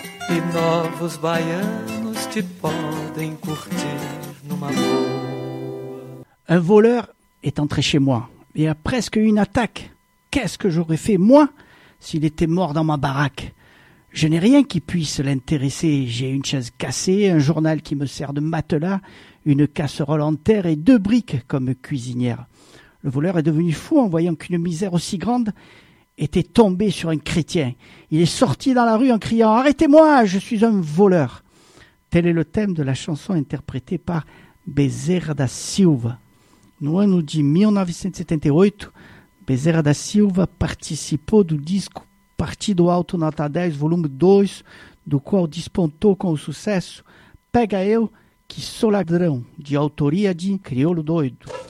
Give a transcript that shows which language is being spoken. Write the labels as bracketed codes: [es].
[pt] E novos baianos te podem curtir numa boa. [fr] Un voleur est entré chez moi et a presque eu une attaque. Qu'est-ce que j'aurais fait, moi, s'il était mort dans ma baraque? Je n'ai rien qui puisse l'intéresser. J'ai une chaise cassée, un journal qui me sert de matelas, une casserole en terre et deux briques comme cuisinière. Le voleur est devenu fou en voyant qu'une misère aussi grande était tombée sur un chrétien. Il est sorti dans la rue en criant « Arrêtez-moi, je suis un voleur !» Tel est le thème de la chanson interprétée par Bezerra da Silva. [pt] No ano de 1978, Bezerra da Silva participou do disco Partido Alto Nota 10, volume 2, do qual despontou com o sucesso Pega Eu Que Sou Ladrão, de autoria de Criolo Doido.